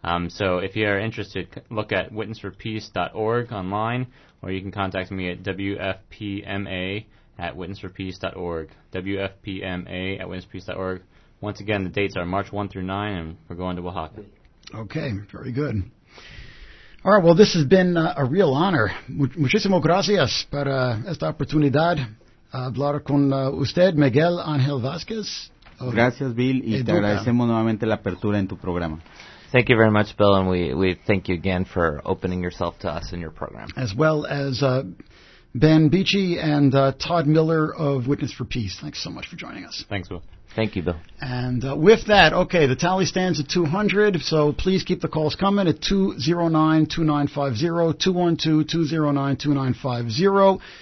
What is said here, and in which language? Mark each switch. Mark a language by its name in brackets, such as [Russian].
[English] So if you are interested, look at witnessforpeace.org online, or you can contact me at wfpma@witnessforpeace.org. wfpma@witnessforpeace.org. Once again, the dates are March 1 through 9, and we're going to Oaxaca. Okay, very good. All right, well, this has been a real honor. [Spanish] Muchísimo gracias para esta oportunidad hablar con usted, Miguel Ángel Vázquez. Gracias, Bill, y te agradecemos nuevamente la apertura en tu programa. [English] Thank you very much, Bill, and we thank you again for opening yourself to us in your program. As well as Ben Beachy and Todd Miller of Witness for Peace. Thanks so much for joining us. Thanks, Bill. Thank you, Bill. And with that, okay, the tally stands at 200, so please keep the calls coming at 209-2950, 212-209-2950.